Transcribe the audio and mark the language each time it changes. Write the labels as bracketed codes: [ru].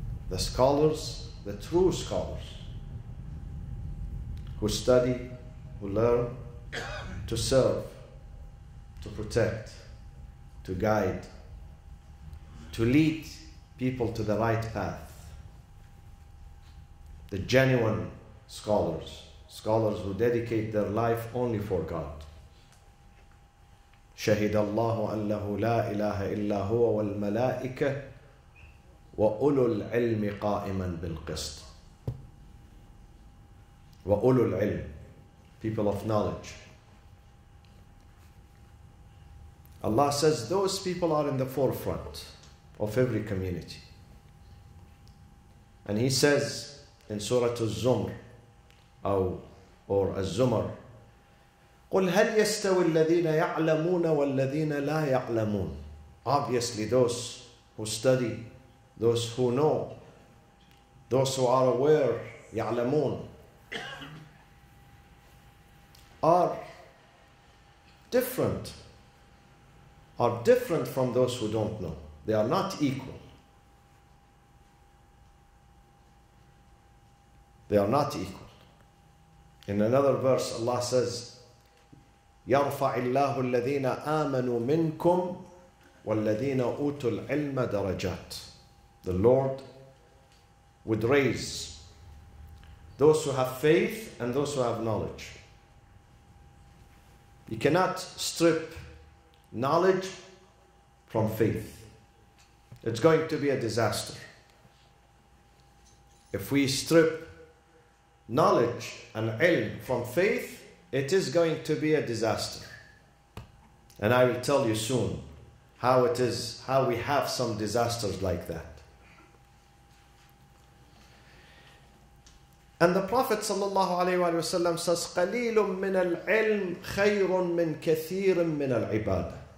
[en] The scholars, the true scholars, who study, who learn, to serve, to protect, to guide, to lead people to the right path. The genuine scholars, scholars who dedicate their life only for God. [ar] شهد الله أن له لا إله إلا هو والملائكة وأولو العلم قائما بالقسط. وأولو العلم, [en] people of knowledge. Allah says those people are in the forefront of every community. And He says in Surah Az-Zumr, or Az-Zumar, [ar] قُلْ هَلْ يَسْتَوِ الَّذِينَ يَعْلَمُونَ وَالَّذِينَ لَا يَعْلَمُونَ. [en] Obviously those who study, those who know, those who are aware, يعلمون, are different from those who don't know. They are not equal. They are not equal. In another verse, Allah says, [ar] يَرْفَعِ اللَّهُ الَّذِينَ آمَنُوا مِنْكُمْ وَالَّذِينَ أُوتُوا الْعِلْمَ دَرَجَاتٍ. [en] The Lord would raise those who have faith and those who have knowledge. You cannot strip knowledge from faith. It's going to be a disaster. If we strip knowledge and ilm from faith, it is going to be a disaster. And I will tell you soon how it is, how we have some disasters like that. And the Prophet sallallahu alaihi wasallam says, [ar] قَلِيلٌ مِّنَ الْعِلْمِ خَيْرٌ مِّنْ كَثِيرٌ مِّنَ الْعِبَادَةِ.